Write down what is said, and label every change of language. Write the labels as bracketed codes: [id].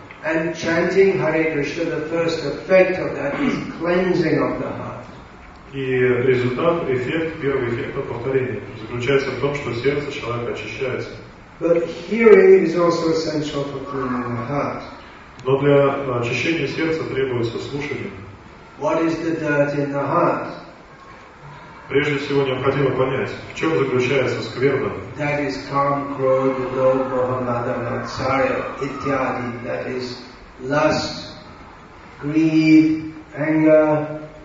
[en] And chanting Hare Krishna, the first effect of that is cleansing of the heart. [ru] И результат, эффект, первый эффект от повторения заключается в том, что сердце человека очищается. [en] But hearing is also essential for cleaning the heart. [ru] Но для очищения сердца требуется слушание. [en] What is the dirt in the heart? [ru] Прежде всего необходимо понять, в чем заключается скверна. [en] That is [sa] kam, krodh, lobha, mada, matsarya, ityadi. [en] That is lust, greed, anger.